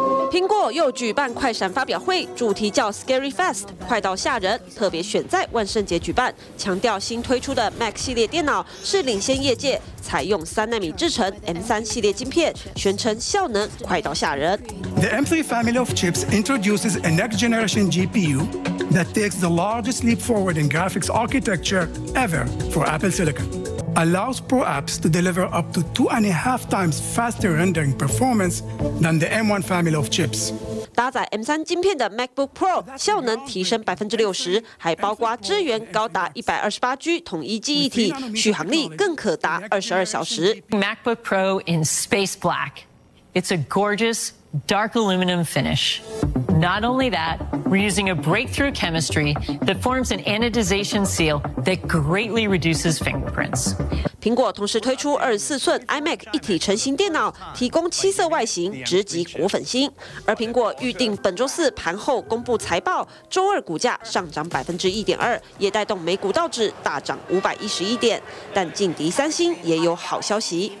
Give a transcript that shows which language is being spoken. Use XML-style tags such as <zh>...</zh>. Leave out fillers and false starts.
<zh>苹果又举办快闪发表会，主题叫 Scary Fast， 快到吓人，特别选在万圣节举办，强调新推出的 Mac 系列电脑是领先业界，采用3纳米制程 M3 系列晶片，宣称效能快到吓人。</zh> <en>The M3 family of chips introduces a next generation GPU that takes the largest leap forward in graphics architecture ever for Apple Silicon. Allows Pro apps to deliver up to 2.5 times faster rendering performance than the M1 family of chips.</en> <zh>搭载 M3 晶片的 MacBook Pro 效能提升60%，还包括支援高达128G 统一记忆体，续航力更可达22小时。</zh> <en>MacBook Pro in Space Black, it's a gorgeous dark aluminum finish. Not only that, we're using a breakthrough chemistry that forms an anodization seal that greatly reduces fingerprints.</en> <zh>苹果同时推出24寸 iMac 一体成型电脑，提供七色外形，直击果粉心。而苹果预定本周四盘后公布财报，周二股价上涨1.2%，也带动美股道指大涨511点。但劲敌三星也有好消息。</zh>